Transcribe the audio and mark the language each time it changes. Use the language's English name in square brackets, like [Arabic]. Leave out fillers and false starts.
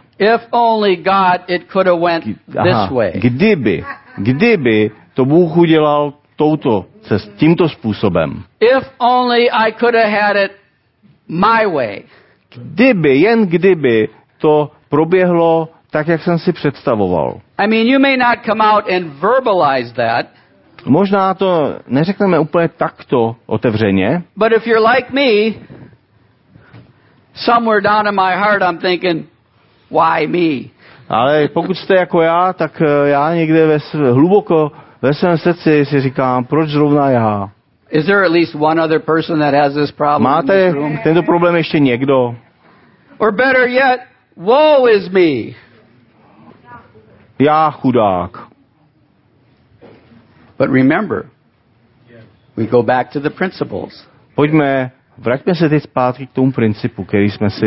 [English] If only God, it could have went this way. [Czech] Kdyby to Bůh udělal tímto způsobem. [English] If only I could have had it my way. [Czech] Kdyby to proběhlo tak, jak jsem si představoval. [English] I mean, you may not come out and verbalize that. [Czech] Možná to neřekneme úplně takto otevřeně. [English] But if you're like me, somewhere down in my heart I'm thinking, why me? [Czech] Ale pokud jste jako já, tak já někde hluboko ve svém srdci si říkám, proč zrovna já? [English] Is there at least one other person that has this problem? [Czech] Máte tento problém ještě někdo? [English] Or better yet, woe is me. [Czech] Já chudák. [English] But remember, we go back to the principles. [Czech] Vraťme se teď zpátky k tomu principu, který jsme si